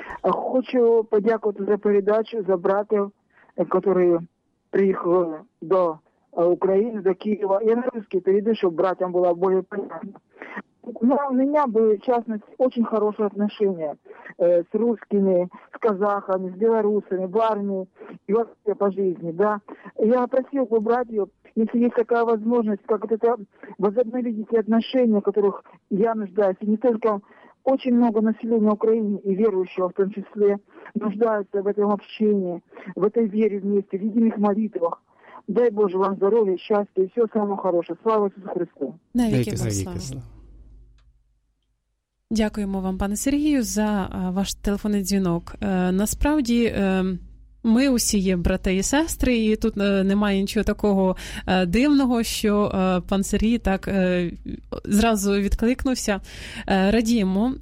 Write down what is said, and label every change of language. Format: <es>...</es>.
<uk>Хочу подякувати за передачу, за братів, які приїхали до України, до Києва.</uk> <ru>Я на русский перейду,</ru> <uk>щоб братям було більш понятно. У мене були, в частності, дуже хороші відносини з русскими, з казахами, з білорусами, в армії і взагалі по житті.</uk> <ru>Да?</ru> <uk>Я просив би братів,</uk> <ru>если есть такая возможность, как это возобновить эти отношения, которых я нуждаюсь, и не только очень много населения Украины и верующего в том числе нуждаются в этом общении, в этой вере вместе, в единых молитвах. Дай Боже вам здоровья, счастья и всего самого хорошего.</ru> <uk>Слава Ісусу Христу.</uk> <ru>Навеки вам слава.</ru> <uk>Дякуємо вам, пане Сергію, за ваш телефонний дзвінок. Насправді, ми усі є брати і сестри, і тут немає нічого такого дивного, що пан Сергій так зразу відкликнувся. Радімо.</uk>